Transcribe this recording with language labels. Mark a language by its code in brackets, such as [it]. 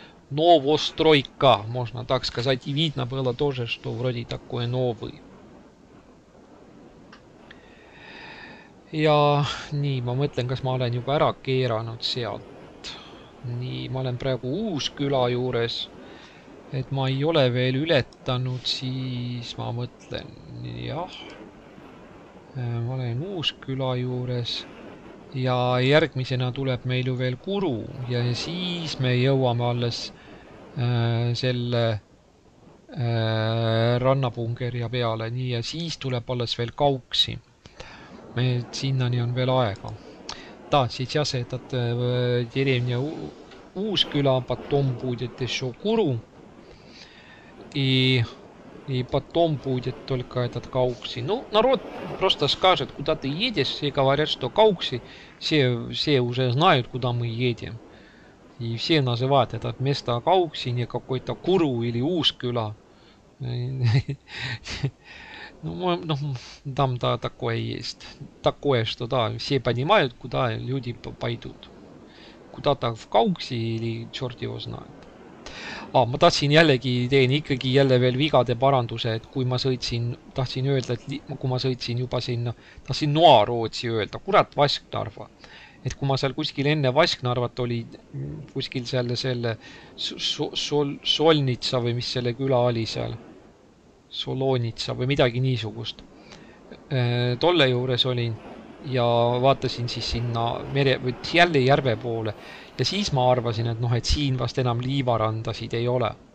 [ru] Новостройка, можно так сказать, и видно было тоже, что вроде такой новый. Я не, [et] ma mõtlen, kas ma olen juba ära keeranud sealt. Nii, ma olen praegu Uusküla juures, et ma ei ole veel ületanud, siis ma mõtlen, jah, ma olen Uusküla juures ja järgmisena tuleb meil ju veel Kuru ja siis me jõuame alles selle rannapungerja peale, nii ja siis tuleb alles veel Kauksi. Me sinnani on veel aega. Ta, siis jah, see, Jeremia Uusküla, [ru] potom будет еще Куру. И потом будет только этот Каукси. Ну, народ просто скажет, куда ты едешь, и говорят, что Каукси. Все уже знают, куда мы едем. И все называют это место Каукси, не какой-то Куру или Уусküla. Ну, там да, такое есть. Такое, что да, все понимают, куда люди пойдут. Куда-то в Кауксе или черт его знает. [et] А, ma tahtsin jällegi teen ikkagi jälle veel vigade paranduse, et kui ma sõitsin, tahtsin öelda, et kui ma sõitsin juba sinna, tahtsin Noarootsi öelda, kurat Vasknarva. Et kui ma seal kuskil enne Vasknarvat oli, kuskil selle Solnitsa või mis selle küla oli seal, Solonitsa või midagi niisugust, tolle juures olin, ja vaatasin siis sinna mere või jälle järve poole ja siis ma arvasin, et noh, et siin vast enam liivarandasid ei ole.